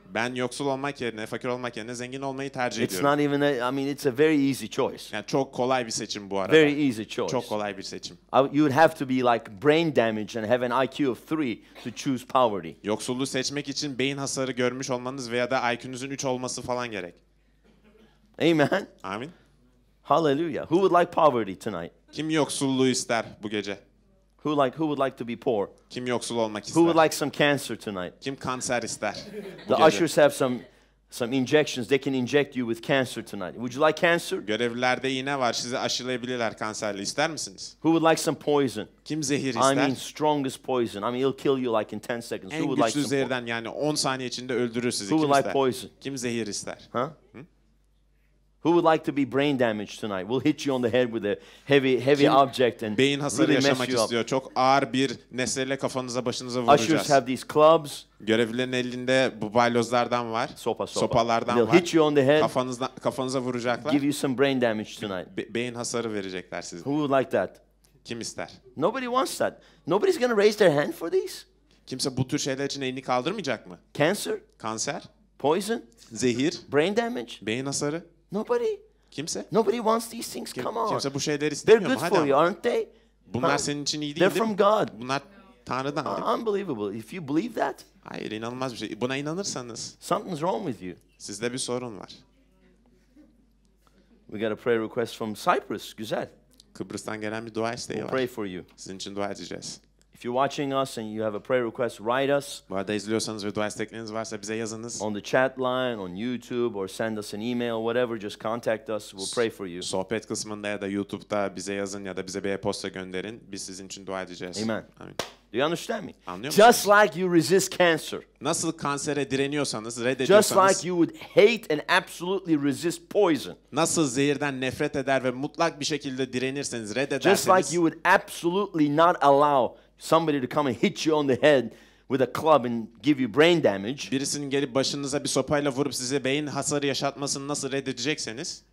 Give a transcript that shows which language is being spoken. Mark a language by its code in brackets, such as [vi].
[tr] Ben yoksul olmak yerine, fakir olmak yerine zengin olmayı tercih [en] it's [tr] ediyorum. [en] It's not even a, I mean it's a very easy choice. [tr] Yani çok kolay bir seçim bu arada. [en] Very easy choice. [tr] Çok kolay bir seçim. [en] You would have to be like brain damaged and have an IQ of 3 to choose poverty. [tr] Yoksulluğu seçmek için beyin hasarı görmüş olmanız veya da IQ'nuzun 3 olması falan gerek. [en] Amen. [tr] Amin. [en] Hallelujah. Who would like poverty tonight? [tr] Kim yoksulluğu ister bu gece? [en] Who would like to be poor? [tr] Kim yoksul olmak ister? [en] Who would like some cancer tonight? [tr] Kim kanser ister? [en] The ushers have some injections. They can inject you with cancer tonight. Would you like cancer? [tr] Görevlilerde iğne var. Sizi aşılayabilirler kanserli. İster misiniz? [en] Who would like some poison? [tr] Kim zehir ister? [en] I mean strongest poison. I mean it'll kill you like in 10 seconds. [tr] En [en] who would like [tr] güçlü zehirden yani 10 saniye içinde öldürür sizi. [en] Who [tr] kim ister? [en] Would like poison? [tr] Kim zehir ister? Huh? [en] Who would like to be brain damaged tonight? We'll hit you on the head with a heavy [tr] kim [en] object and [tr] beyin hasarı [en] really [tr] yaşamak [en] mess you [tr] istiyor. [en] Up. [tr] Çok ağır bir nesneyle kafanıza başınıza vuracağız. [en] Ushers have these clubs. [tr] Görevlilerin elinde bu balyozlardan var. Sopa. Sopalardan [en] they'll [tr] var. [en] They'll hit you on the head. [tr] Kafanıza vuracaklar. [en] Give you some brain damage tonight. [tr] Beyin hasarı verecekler size. [en] Who would like that? [tr] Kim ister? [en] Nobody wants that. Nobody's going to raise their hand for these. [tr] Kimse bu tür şeyler için elini kaldırmayacak mı? [en] Cancer? [tr] Kanser? [en] Poison? [tr] Zehir? [en] Brain damage? [tr] Beyin hasarı? [en] Nobody. [tr] Kimse? [en] Nobody wants these things. Come on. [tr] Kimse bu şeyleri istemiyor. [en] They're good for you, aren't they? [tr] Bunlar senin için iyi değil mi? [en] They're from God. [tr] Bunlar Tanrı'dan. [en] Unbelievable. If you believe that. [tr] Hayır, inanılmaz bir şey. Buna inanırsanız. [en] Something's wrong with you. [tr] Sizde bir sorun var. [en] We got a prayer request from Cyprus. [tr] Güzel. Kıbrıs'tan gelen bir dua isteği var. [en] We'll pray for you. [tr] Sizin için dua edeceğiz. [en] If you're watching us and you have a prayer request, write us. [tr] Bu arada izliyorsanız ve dua istekleriniz varsa bize yazınız. [en] On the chat line, on YouTube, or send us an email, whatever. Just contact us. We'll pray for you. [tr] Sohbet kısmında ya da YouTube'da bize yazın ya da bize bir e-posta gönderin. Biz sizin için dua edeceğiz. [en] Amen. [tr] Amin. [en] Do you understand me? [tr] Anlıyor musun? [en] Just like you resist cancer. [tr] Nasıl kansere direniyorsanız, reddediyorsanız. [en] Just like you would hate and absolutely resist poison. [tr] Nasıl zehirden nefret eder ve mutlak bir şekilde direnirseniz, reddederseniz. [en] Just like you would absolutely not allow somebody to come and hit you on the head with a club and give you brain damage. [tr] Birisinin gelip başınıza bir sopayla vurup size beyin hasarı yaşatmasını nasıl reddedecekseniz?